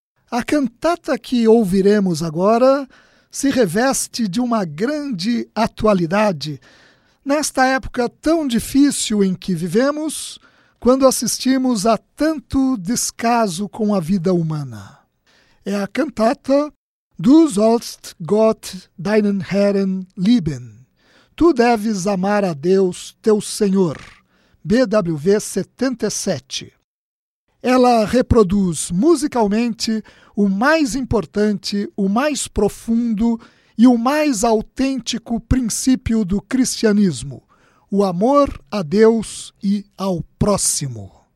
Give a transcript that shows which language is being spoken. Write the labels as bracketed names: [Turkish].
[Portuguese] A cantata que ouviremos agora se reveste de uma grande atualidade nesta época tão difícil em que vivemos, quando assistimos a tanto descaso com a vida humana. É a cantata [German] Du sollst Gott deinen Herrn lieben. [Portuguese] Tu deves amar a Deus, teu Senhor. BWV 77. Ela reproduz musicalmente o mais importante, o mais profundo e o mais autêntico princípio do cristianismo: o amor a Deus e ao próximo.